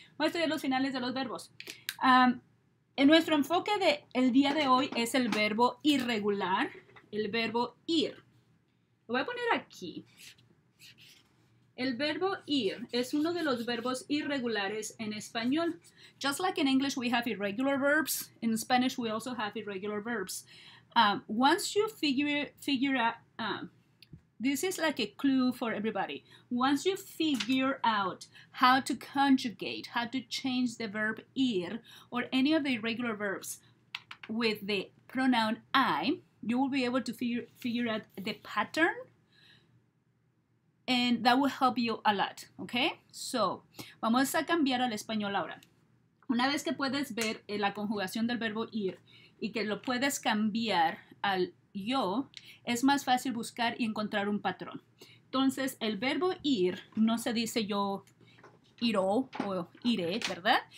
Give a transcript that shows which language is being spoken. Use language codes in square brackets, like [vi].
[es] Voy a estudiar los finales de los verbos. En nuestro enfoque de el día de hoy es el verbo irregular, el verbo ir. Lo voy a poner aquí. El verbo ir es uno de los verbos irregulares en español. [en] Just like in English we have irregular verbs, in Spanish we also have irregular verbs. Once you figure out, this is like a clue for everybody. Once you figure out how to conjugate, how to change the verb ir or any of the irregular verbs with the pronoun I, you will be able to figure out the pattern. And that will help you a lot, okay? [es] So, vamos a cambiar al español ahora. Una vez que puedes ver la conjugación del verbo ir y que lo puedes cambiar al yo, es más fácil buscar y encontrar un patrón. Entonces, el verbo ir no se dice yo iró o iré, ¿verdad?